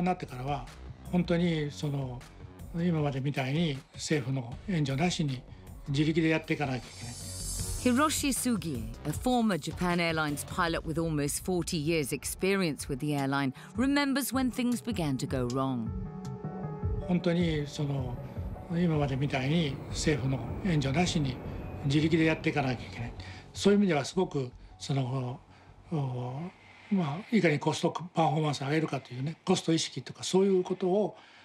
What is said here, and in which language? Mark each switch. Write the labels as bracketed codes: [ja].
[ja] その前はその政府がその、まあ、国の、あの、資本がほとんどの何が起こっても倒産することはない不沈空母と言われたわけですね。だけどその民営化になってからは本当にその 今までみたいに政府の援助なしに自力でやっていかなきゃいけない。 [en] Hiroshi Sugie, a former Japan Airlines pilot with almost 40 years experience with the airline, remembers when things began to go wrong. [ja] 本当にその今までみたいに政府の援助なしに自力でやっていかなきゃいけない。そういう意味ではすごくそのまあいかにコストパフォーマンスを上げるかというねコスト意識とかそういうことを